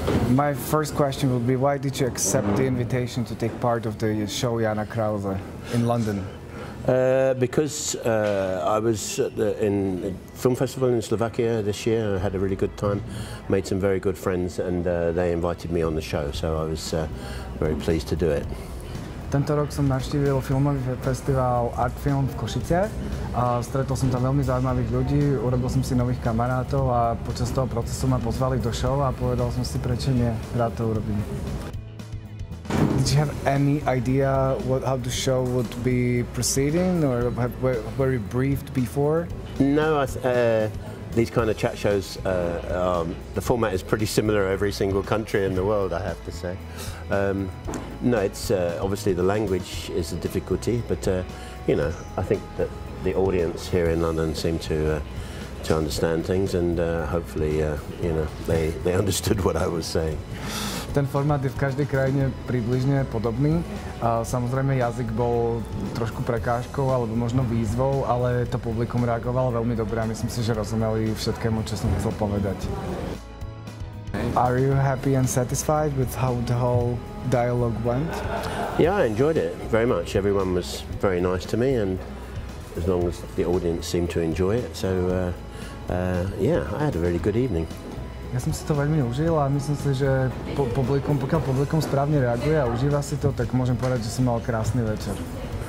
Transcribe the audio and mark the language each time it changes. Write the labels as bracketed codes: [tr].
[en] My first question will be, why did you accept the invitation to take part of the show Jana Krause in London? Because I was at in a film festival in Slovakia this year. I had a really good time, made some very good friends, and they invited me on the show, so I was very pleased to do it. [sk] Tento rok som navštívil filmový festival Art Film v Košice a stretol som tam veľmi zaujímavých ľudí, urobil som si nových kamarátov a počas toho procesu ma pozvali do show a povedal som si, prečo nie, rád to urobím. [en] Did you have any idea how the show would be proceeding, or were you briefed before? No, these kind of chat shows, the format is pretty similar every single country in the world, I have to say. No, it's obviously the language is a difficulty, but you know, I think that the audience here in London seem to understand things, and hopefully, you know, they understood what I was saying. [sk] Ten formát je v každej krajine približne podobný. Samozrejme, jazyk bol trošku prekážkou alebo možno výzvou, ale to publikum reagovalo veľmi dobre a myslím si, že rozumeli všetkému, čo som chcel povedať. [en] Are you happy and satisfied with how the whole dialogue went? Yeah, I enjoyed it very much. Everyone was very nice to me, and as long as the audience seemed to enjoy it, so yeah, I had a really good evening. [sk] Ja som si to veľmi užil a myslím si, že pokiaľ publikum správne reaguje a užíva si to, tak môžem povedať, že som mal krásny večer.